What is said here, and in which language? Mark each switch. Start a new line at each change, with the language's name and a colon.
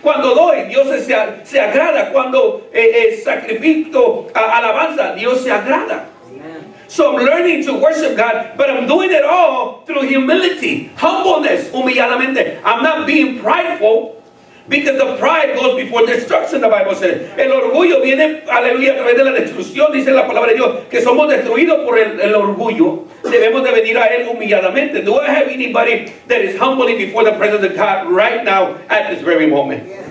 Spanish: Cuando doy, Dios se agrada. Cuando sacrifico alabanza, Dios se agrada.
English: Amen. So I'm learning to worship God, but I'm doing it all through humility, humbleness, humilladamente. I'm not being prideful, because the pride goes before destruction, the Bible says.
Spanish: El orgullo viene, aleluya, a través de la destrucción, dice la palabra de Dios, que somos destruidos por el orgullo. Debemos de venir a él humilladamente.
English: Do I have anybody that is humbly before the presence of God right now at this very moment?